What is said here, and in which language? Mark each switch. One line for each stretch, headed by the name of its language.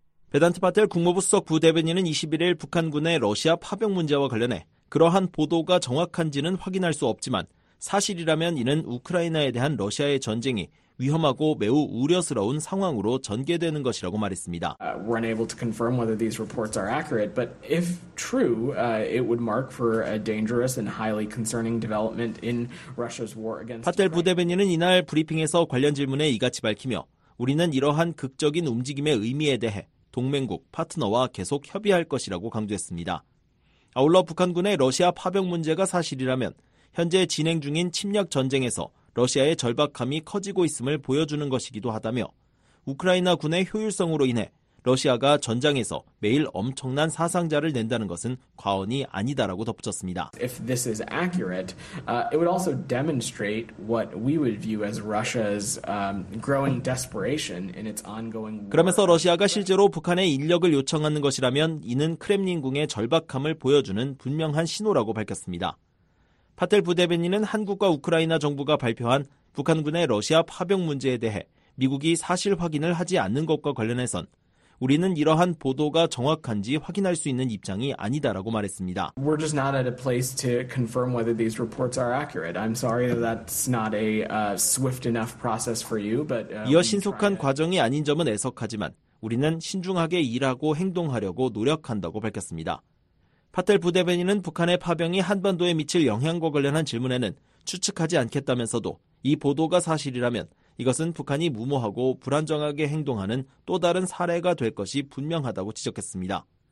Korean: 베단트 파텔 국무부 수석 부대변인은 21일 북한군의 러시아 파병 문제와 관련해 그러한 보도가 정확한지는 확인할 수 없지만 사실이라면 이는 우크라이나에 대한 러시아의 전쟁이 위험하고 매우 우려스러운 상황으로 전개되는 것이라고 말했습니다.
English: We're unable to confirm whether these reports are accurate, but if true, it would mark for a dangerous and highly concerning development in Russia's war against.
Korean: 파텔 부대변인은 이날 브리핑에서 관련 질문에 이같이 밝히며 우리는 이러한 극적인 움직임의 의미에 대해 동맹국 파트너와 계속 협의할 것이라고 강조했습니다. 아울러 북한군의 러시아 파병 문제가 사실이라면 현재 진행 중인 침략 전쟁에서 러시아의 절박함이 커지고 있음을 보여주는 것이기도 하다며 우크라이나 군의 효율성으로 인해 러시아가 전장에서 매일 엄청난 사상자를 낸다는 것은 과언이 아니다라고 덧붙였습니다.
English: If this is accurate, it would also demonstrate what we would view as Russia's growing desperation in its ongoing.
Korean: 그러면서 러시아가 실제로 북한의 인력을 요청하는 것이라면 이는 크렘린궁의 절박함을 보여주는 분명한 신호라고 밝혔습니다. 파텔 부대변인은 한국과 우크라이나 정부가 발표한 북한군의 러시아 파병 문제에 대해 미국이 사실 확인을 하지 않는 것과 관련해선 우리는 이러한 보도가 정확한지 확인할 수 있는 입장이 아니다라고 말했습니다.
English: We're just not at a place to confirm whether these reports are accurate. I'm sorry that's not a swift enough process for you, but
Korean: 이어 신속한 과정이 아닌 점은 애석하지만 우리는 신중하게 일하고 행동하려고 노력한다고 밝혔습니다. 파텔 부대변인은 북한의 파병이 한반도에 미칠 영향과 관련한 질문에는 추측하지 않겠다면서도 이 보도가 사실이라면 이것은 북한이 무모하고 불안정하게 행동하는 또 다른 사례가 될 것이 분명하다고 지적했습니다.